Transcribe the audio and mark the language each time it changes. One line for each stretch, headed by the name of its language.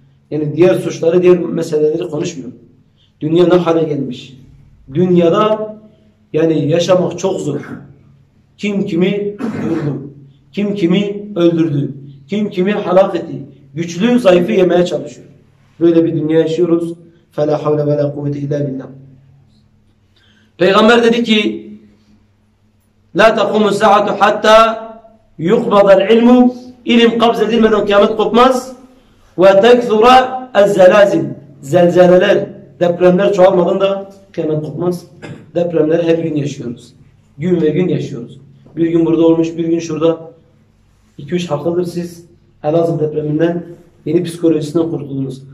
Turkish: Yani diğer suçları, diğer meseleleri konuşmuyorum. Dünya ne hale gelmiş? Dünyada yani yaşamak çok zor. Kim kimi vurdu? Kim kimi öldürdü? Kim kimi helak etti? Güçlü zayıfı yemeye çalışıyor. Böyle bir dünya yaşıyoruz.
Arabic: فَلَا حَوْلَ وَلَا قُوْتِ اِلَّا بِاللّٰهِ
Turkish: Peygamber dedi ki
Arabic: لَا تَقُمُ السَّاعَةُ حَتَّى يُقْبَضَ الْعِلْمُ
Turkish: İlim kabz edilmeden kıyamet kopmaz.
Arabic: وَتَكْثُرَ الزَّلَازِمْ
Turkish: Zelzeleler, depremler çoğalmadan da kıyamet kopmaz. Depremleri her gün yaşıyoruz. Gün ve gün yaşıyoruz. Bir gün burada olmuş, bir gün şurada. 2-3 haftadır siz Elazığ depreminden yeni psikolojisinden kurtuldunuz.